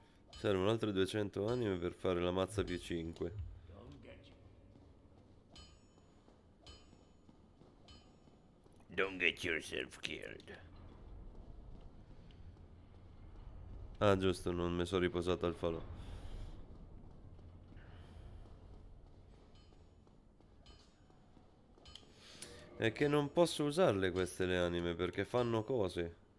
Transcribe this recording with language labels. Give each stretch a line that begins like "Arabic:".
Italian: Servono altre 200 anime per fare la mazza più 5.
English: Don't get yourself killed.
Italian: Ah, giusto, non mi sono riposato al falò. È che non posso usarle queste le anime perché fanno cose.